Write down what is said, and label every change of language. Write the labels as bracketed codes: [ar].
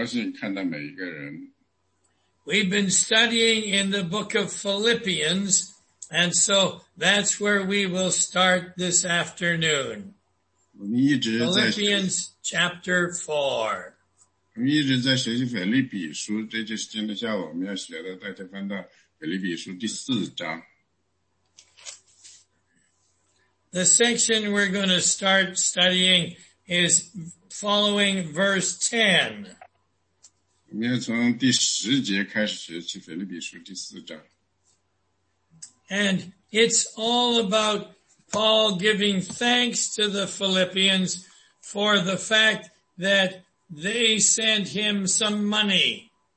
[zh] 真的好，非常高兴看到每一个人。 [en] We've been studying in the book of Philippians, and so that's where we will start this afternoon. Philippians chapter 4. [zh] 我们一直在学习腓立比书，这就是今天下午我们要学的，大家翻到腓立比书第四章。 [en] The section we're going to start studying is following verse 10. [zh] 我们要从第十节开始学习腓立比书第四章。 [en] And it's all about Paul giving thanks to the Philippians for the fact that they sent him some money.